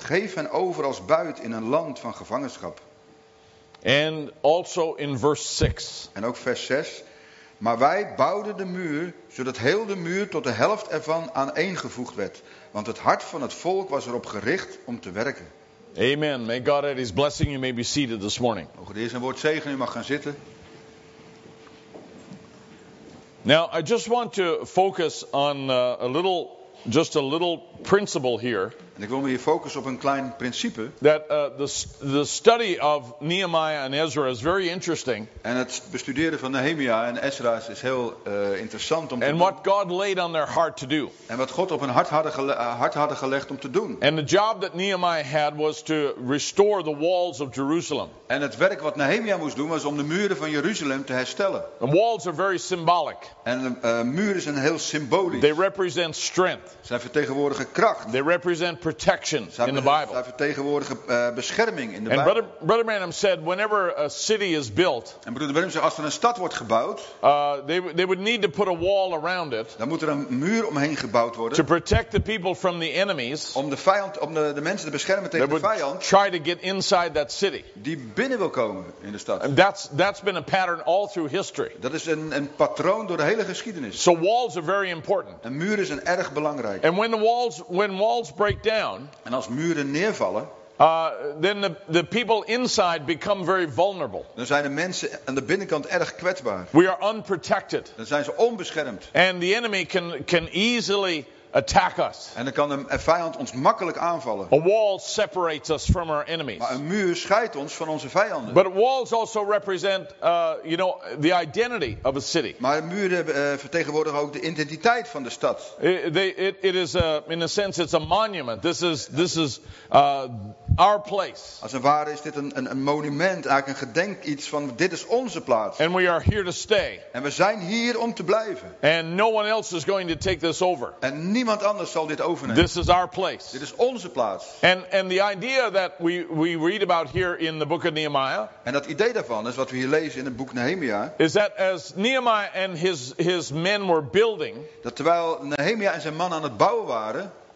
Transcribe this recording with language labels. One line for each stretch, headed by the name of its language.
Dutch: Geef hen over als buit in een land van gevangenschap.
English: And also in verse 6.
Dutch: En ook vers 6. Maar wij bouwden de muur, zodat heel de muur tot de helft ervan aaneengevoegd werd. Want het hart van het volk was erop gericht om te werken.
English: Amen. May God add His blessing. You may be seated this morning.
Dutch: Mogen de Heer zijn woord zegen. U mag gaan zitten.
English: Now I just want to focus on a little principle here.
Dutch: En ik wil me hier focussen op een klein principe.
English: That the study of Nehemiah and Ezra is very interesting.
Dutch: En het bestuderen van Nehemia en Ezra is heel interessant om te doen.
English: And what God laid on their heart to do.
Dutch: En wat God op hun hart hadden gelegd om te doen.
English: And the job that Nehemiah had was to restore the walls of Jerusalem.
Dutch: En het werk wat Nehemia moest doen was om de muren van Jeruzalem te herstellen.
English: The walls are very symbolic.
Dutch: En muren zijn heel symbolisch.
English: They represent strength.
Dutch: Zij vertegenwoordigen kracht.
English: They represent protection in the Bible.
Dutch: Zij vertegenwoordigen bescherming in de
English: and
Dutch: Bijbel.
English: Brother Branham said, whenever a city is built,
Dutch: en broeder Branham zei, als er een stad wordt gebouwd,
English: they would need to put a wall around it.
Dutch: Dan moet er een muur omheen gebouwd worden.
English: To protect the people from the enemies.
Dutch: Om de vijand, om de mensen te beschermen tegen de vijand.
English: Try to get inside that city.
Dutch: Die binnen wil komen in de stad.
English: And that's been a pattern all through history.
Dutch: Dat is een patroon door de hele geschiedenis.
English: So walls are very important.
Dutch: En muren zijn erg belangrijk.
English: And when walls break down,
Dutch: en als muren neervallen,
English: then the people inside become very vulnerable.
Dutch: Dan zijn de mensen aan de binnenkant erg kwetsbaar.
English: We are unprotected.
Dutch: Dan zijn ze onbeschermd.
English: And the enemy can easily attack us.
Dutch: En dan kan een vijand ons makkelijk aanvallen.
English: A wall separates us from our enemies.
Dutch: Maar een muur scheidt ons van onze vijanden.
English: But walls also represent, you know, the identity of a city.
Dutch: Maar muren vertegenwoordigen ook de identiteit van de stad.
English: It's a monument. This is our place.
Dutch: Als het ware is dit een monument, eigenlijk een gedenk iets van dit is onze plaats.
English: And we are here to stay.
Dutch: En we zijn hier om te blijven.
English: And no one else is going to take this over.
Dutch: En niemand anders zal dit overnemen.
English: This is our place.
Dutch: Dit is onze plaats.
English: And the idea that we read about here in the book of Nehemiah.
Dutch: En dat idee daarvan is wat we hier lezen in het boek Nehemia.
English: Is that as Nehemiah and his men were building.
Dutch: Dat terwijl Nehemia en zijn man aan het bouwen waren.